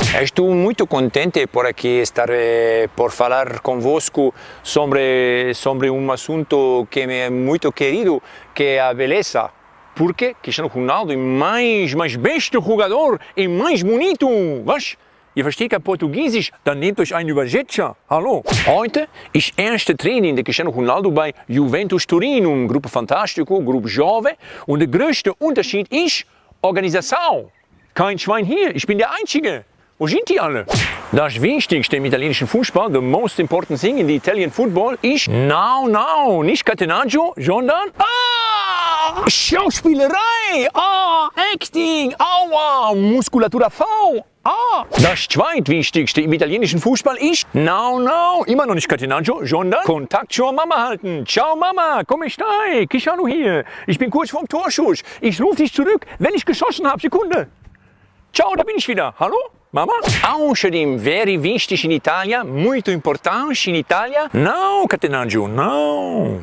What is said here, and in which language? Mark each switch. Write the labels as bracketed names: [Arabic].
[Portuguese] Estou muito contente por aqui estar, por falar convosco sobre um assunto que me é muito querido, que é a beleza. Porque Cristiano Ronaldo é mais besta jogador e mais bonito, vas? [German] Ihr versteht kein Portugiesisch, dann nehmt euch einen Übersetzer. Hallo. Heute ist erste Training der Cristiano Ronaldo bei Juventus Turin, [Portuguese] um grupo fantástico, grupo jovem. [German] Und der größte Unterschied ist Organisation. Kein Schwein hier, ich bin der Einzige. Wo sind die alle? Das Wichtigste im italienischen Fußball, [English] the most important thing in the Italian football, [German] ist no, nicht Catenaggio, sondern Schauspielerei, Acting, aua, Muskulatura V. Das Zweitwichtigste im italienischen Fußball ist no, immer noch nicht Catenaggio, sondern Kontakt zur Mama halten. [Italian] Ciao Mama, come stai? [German] Cristiano hier. Ich bin kurz vorm Torschuss. Ich rufe dich zurück, wenn ich geschossen habe. Sekunde. Ciao, da bin ich wieder. Hallo? Mama? Außerdem, very wichtig in Italia, [Portuguese] muito importante [German] in Italia, não, Catenaggio, não.